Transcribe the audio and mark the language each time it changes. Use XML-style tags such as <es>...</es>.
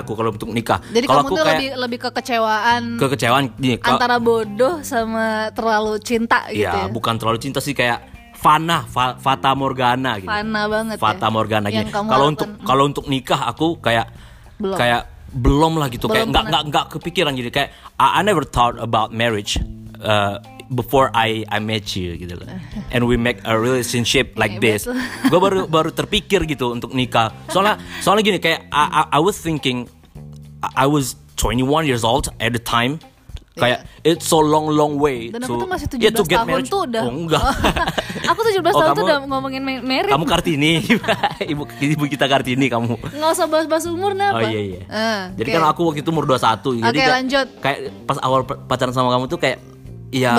<id>Jadi kalo kamu tuh kayak lebih kekecewaan gini, antara bodoh sama terlalu cinta gitu. Iya, ya. Bukan terlalu cinta sih, kayak fata morgana gitu. Fana banget. Fata ya? Morgana gitu. Kalau untuk nikah aku kayak belum. Kayak belum lah gitu, belum kayak nggak kepikiran. Jadi kayak</id> <en>I never thought about marriage before I met you</en> <id>gitu loh,</id> <en>and we make a relationship like this.</en> <id>Gue baru terpikir gitu untuk nikah. Soalnya gini, kayak</id> <en>I was thinking, I was 21 years old at the time.</en> <id>Kayak</id> <en>it's so long long way.</en> <id>Dan aku tuh masih 17 to get tahun tuh udah. Oh, enggak. Aku 17 tahun tuh udah ngomongin married. Kamu Kartini. ibu kita Kartini kamu. Enggak usah bahas-bahas umur napa. Oh iya iya. Jadi kan aku waktu itu umur 21. Oke, okay, lanjut. Kayak pas awal pacaran sama kamu tuh kayak iya.</id>